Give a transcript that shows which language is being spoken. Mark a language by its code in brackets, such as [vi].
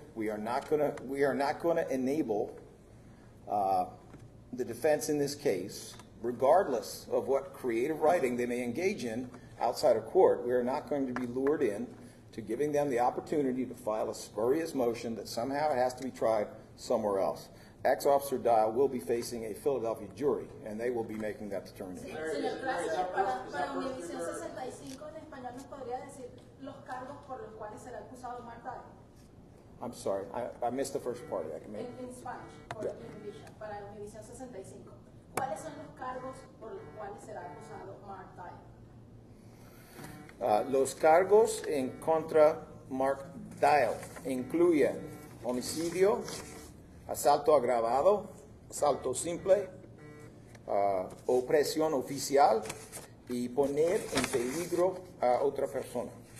[en] We are not going to enable the defense in this case, regardless of what creative writing they may engage in outside of court. We are not going to be lured in to giving them the opportunity to file a spurious motion that somehow it has to be tried somewhere else. Ex-Officer Dial will be facing a Philadelphia jury, and they will be making that determination. [es] Señor Krasner, para Univision 65 en español, ¿nos podría decir los cargos por los cuales será acusado Mark Dial? [en] I'm sorry, I missed the first part of that. In Spanish, for Univision, [es] para Univision 65. ¿Cuáles son los cargos por los cuales será acusado Mark Dial? Los cargos en contra Mark Dial incluyen homicidio, asalto agravado, asalto simple, opresión oficial, y poner en peligro a otra persona.